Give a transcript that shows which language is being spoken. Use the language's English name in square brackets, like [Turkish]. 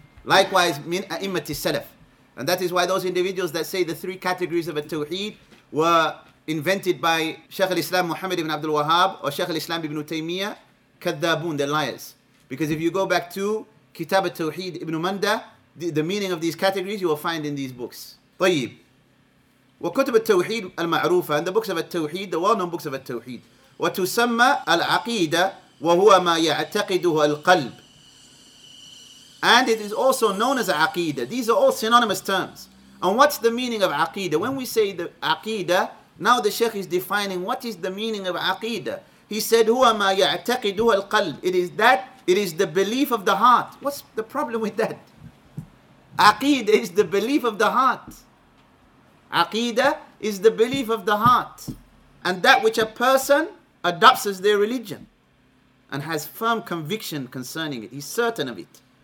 [English] Likewise, min a'immati salaf. And that is why those individuals that say the three categories of al-Tawheed were invented by Shaykh al-Islam Muhammad ibn Abdul Wahhab or Shaykh al-Islam ibn Taymiyyah, kadhabun, they're liars. Because if you go back to Kitab al-Tawheed, Ibn Mandah, the meaning of these categories you will find in these books. [Arabic] طيب. وكتب التوحيد المعروفة, [English] and the books of التوحيد, the well-known books of التوحيد. [Arabic] وتسمى العقيدة وهو ما يعتقده القلب. [English] And it is also known as عقيدة. These are all synonymous terms. And what's the meaning of عقيدة? When we say the عقيدة, now the Sheikh is defining what is the meaning of عقيدة. He said [Arabic] هو ما يعتقده القلب. [English] It is the belief of the heart. What's the problem with that? Aqeedah is the belief of the heart. Aqeedah is the belief of the heart. And that which a person adopts as their religion and has firm conviction concerning it. He's certain of it.